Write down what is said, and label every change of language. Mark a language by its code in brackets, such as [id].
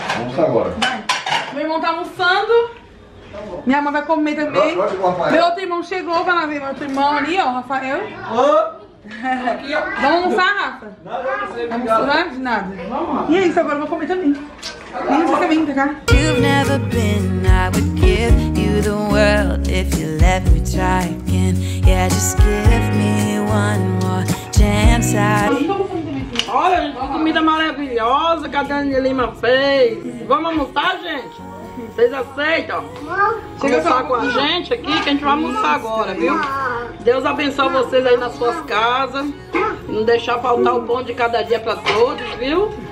[pt] Almoçar agora. Vai. Meu irmão tá almoçando. Minha mãe vai comer também. Meu outro irmão chegou, vai lá ver. Meu outro irmão ali, ó, Rafael. Vamos almoçar, Rafa? Nada, você não precisa de nada. E é isso, agora eu vou comer também. Vem, você vem, tá cá. [en] You've never been, I would give you the world if you let me try again. Yeah, just give me one more chance. [pt] Olha, gente, que comida maravilhosa que a Dani Lima fez. Vamos almoçar, gente? Vocês aceitam? Conversar com a gente aqui, que a gente vai almoçar agora, viu? Deus abençoe vocês aí nas suas casas. Não deixar faltar o pão de cada dia pra todos, viu?